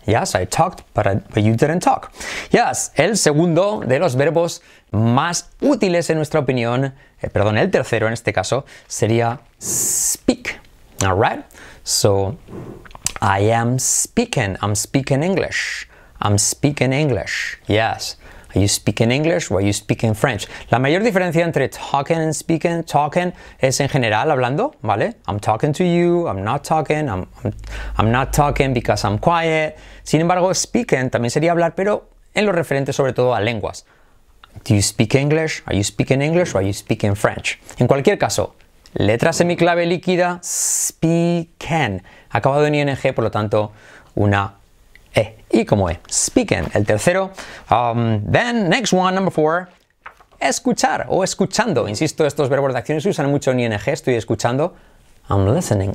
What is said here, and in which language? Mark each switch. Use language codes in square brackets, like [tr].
[en] Yes, I talked, but you didn't talk. [es] Yes, el segundo de los verbos más útiles en nuestra opinión, perdón, el tercero en este caso, sería speak. [en] All right? So, I am speaking. I'm speaking English. I'm speaking English. Yes. Are you speaking English or are you speaking French? [es] La mayor diferencia entre talking and speaking, talking, es en general hablando, ¿vale? [en] I'm talking to you. I'm not talking. I'm not talking because I'm quiet. [es] Sin embargo, speaking también sería hablar, pero en lo referente sobre todo a lenguas. [en] Do you speak English? Are you speaking English or are you speaking French? [es] En cualquier caso, letra semiclave líquida, speaking. Acabado en ING, por lo tanto, una E. y como es speaking. El tercero, [en] then next one, [es] number four, escuchar o escuchando. Insisto, estos verbos de acción se usan mucho en ING. Estoy escuchando. [en] I'm listening.